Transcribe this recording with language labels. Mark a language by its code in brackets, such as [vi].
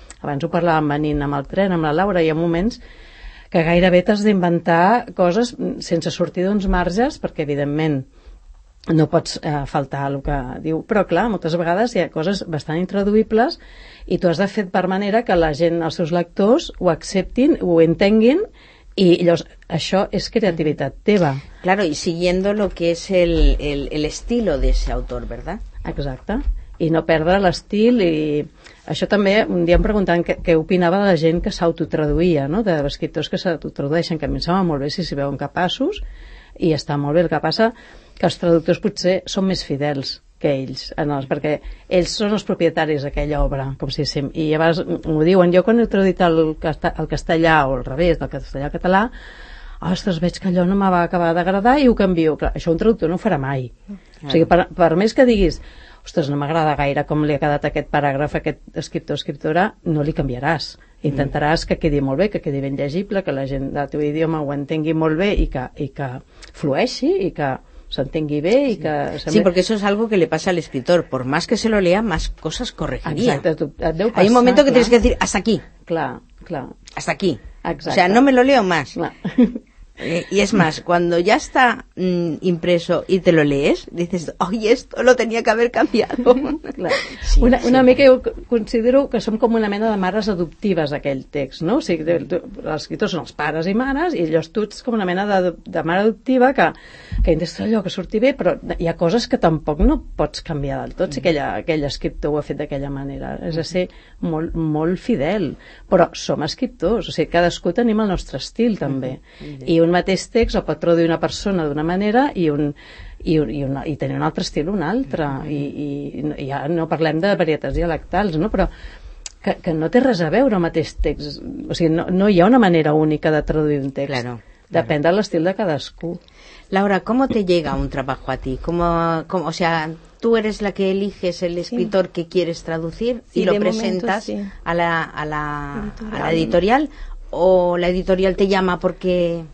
[ca] Abans ho parlàvem venint amb el tren, amb la Laura, hi ha moments que gairebé t'has d'inventar coses sense sortir d'uns marges perquè, evidentment, no pots faltar el que diu. Però, clar, moltes vegades hi ha coses bastant intraduïbles i tu has de fer per manera que la gent, els seus lectors, ho acceptin, ho entenguin i llavors això és creativitat teva. [es] Claro, y siguiendo lo que es el estilo de ese autor, ¿verdad? [ca] Exacte. I no perdre l'estil i... Això també, un dia em preguntaven què opinava la gent que s'autotraduïa, no? De escriptors que s'autotradueixen, que a mi em sembla molt bé si s'hi veuen capaços i està molt bé. El que passa que els traductors potser són més fidels, que ells, perquè ells són els propietaris d'aquella obra, com si sim, i llavors m'ho diuen. Jo quan he traduït el castellà, o al revés, del castellà al català, ostres, veig que allò no m'ha acabat d'agradar i ho canvio. Clar, això un traductor no ho farà mai. Clar. O sigui, per més que diguis, ostres, no m'agrada gaire com li ha quedat aquest paràgraf a aquest escriptor o escriptora, no li canviaràs. Intentaràs que quedi molt bé, que quedi ben llegible, que la gent del teu idioma ho entengui molt bé i que flueixi i que s'entengui bé i que... [es] Sí, perquè això és algo que le pasa al escritor. Por más que se lo lea, más cosas corregiría. [ca] Exacte, et deu [es] passar. Hay un momento que tienes que decir, hasta aquí. [ca] Clar, clar. [es] Hasta aquí. [ca] Exacte. [es] O sea, no me lo leo más. [ca] Clar. [es] Y es más, cuando ya está impreso y te lo lees, dices, oye, esto lo tenía que haber cambiado. [ca] Clar. Sí, una mica jo considero que som com una mena de mares adoptives d'aquell text, no? O sigui, els escriptors són els pares i mares, i llavors tu ets com una mena de mare adoptiva que intenta allò que surti bé, però hi ha coses que tampoc no pots canviar del tot, si aquell escriptor ho ha fet d'aquella manera. És a ser molt, molt fidel. Però som escriptors, o sigui, cadascú tenim el nostre estil, també. Mm-hmm. I un mateix text el pot traduir una persona d'una manera i tenir un altre estil, un altre. I ja no parlem de varietats dialectals, no? Però que no té res a veure el mateix text. O sigui, no hi ha una manera única de traduir un text. [es] Claro, [ca] depèn [es] claro. [ca] De l'estil de cadascú. [es] Laura, ¿cómo te llega un trabajo a ti? ¿Cómo, o sea, tú eres la que eliges el escritor sí. que quieres traducir sí, y lo presentas momento, sí. a la editorial? A la editorial. ¿O la editorial te llama porque...?